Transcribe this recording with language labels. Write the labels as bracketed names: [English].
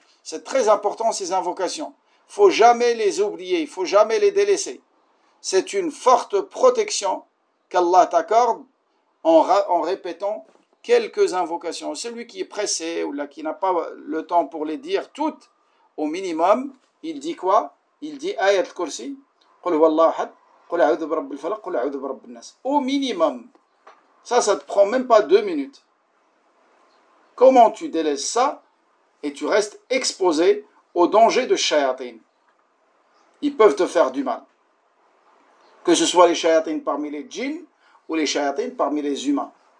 [French] C'est très important, ces invocations. Il ne faut jamais les oublier, il ne faut jamais les délaisser. C'est une forte protection qu'Allah t'accorde en répétant quelques invocations. Celui qui est pressé ou là, qui n'a pas le temps pour les dire toutes, au minimum, il dit quoi? Il dit [Arabic] Ayat al-Kursi, قُلْ هُوَ اللَّهُ أَحَدٌ قُلْ أَعُوذُ بِرَبِّ الْفَلَقِ قُلْ أَعُوذُ بِرَبِّ النَّاسِ. [French] Au minimum. Ça ne te prend même pas 2 minutes. Comment tu délaisses ça et tu restes exposé au danger de shayatin? Ils peuvent te faire du mal. Que ce soit les shayatin parmi les djinns ou les shayatin parmi les humains.